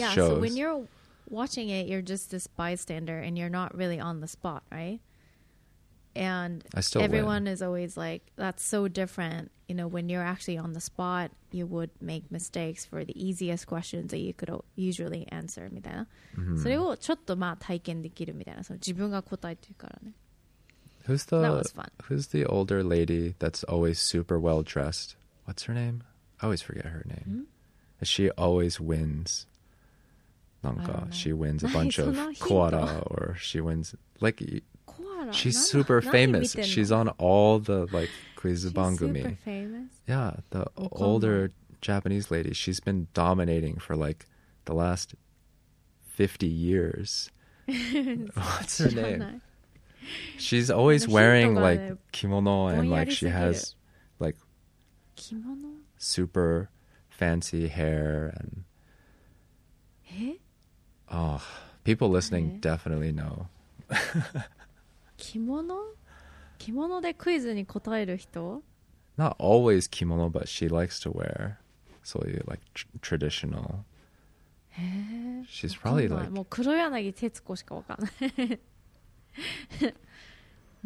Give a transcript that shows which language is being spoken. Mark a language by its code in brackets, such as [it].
[en] Yeah, so when you're watching it, you're just this bystander and you're not really on the spot, right? And everyone is always like, that's so different. You know, when you're actually on the spot, you would make mistakes for the easiest questions that you could usually answer, [ja] みたいな。それをちょっとまあ体験できるみたいな。その自分が答えてるからね。 [en] Who's the older lady that's always super well dressed? What's her name? I always forget her name. Mm-hmm. She always wins. [ja] なんか [en] she wins a bunch of koala or she wins like koala. She's super famous. She's on all the like quiz [ja] bangumi. [en] She's super famous. Yeah, the older Japanese lady. She's been dominating for like the last 50 years. What's her name? She's always wearing like kimono and like she has like kimono? Super fancy hair and people listening definitely know. [ja] Kimono? Kimono de quiz ni kotaeru hito? [en] Not always kimono, but she likes to wear so you like traditional. She's probably like [ja] もう黒柳徹子しかわかんない。